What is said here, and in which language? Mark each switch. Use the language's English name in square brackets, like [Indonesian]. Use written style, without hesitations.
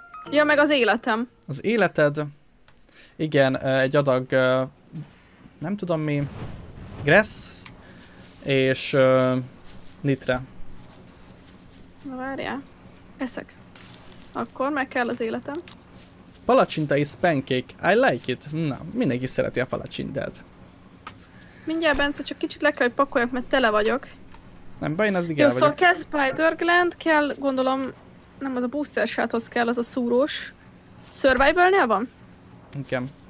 [Hungarian] Ja, meg az életem. Az életed? Igen, egy adag... nem tudom mi... Grass és Nitra. Na várjál, eszek. Akkor meg kell az életem. Palacsinta is [English] pancake, I like it. [Hungarian] Na, mindenki szereti a palacsintát. Mindjárt, Bence, csak kicsit le kell, hogy pakoljak, mert tele vagyok. Nem baj, én eddig el vagyok. Jó, szóval kell Spider Gland, kell gondolom... Nem, az a booster shot-hoz kell, az a szúrós. Survival-nél van? Igen.